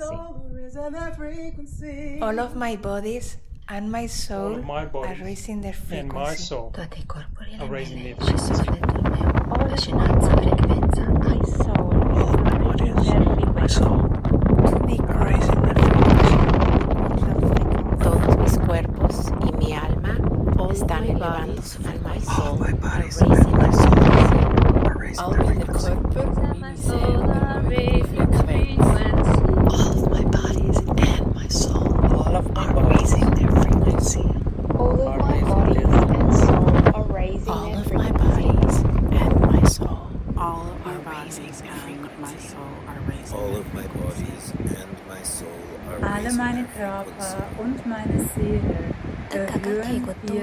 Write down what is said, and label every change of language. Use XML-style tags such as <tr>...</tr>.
<en>All of my bodies and my soul are raising their frequency. All of my bodies and my soul are raising their frequency. And my soul are raising their frequency. All of my bodies and my soul are raising their frequency.</en> <es>Todos mis cuerpos y mi alma están elevando su frecuencia.</es> <en>All my bodies and my soul are raising their frequency. All of the</en> <es>cuerpo y mi</es> <en>soul are raising their frequency. All of my bodies and my soul are raising their frequency. All of my bodies and soul are raising their frequency. All of my bodies and my soul are raising their frequency. All of my bodies and my soul are</en> <de>alle meine Körper und meine Seele gehören ihre</de>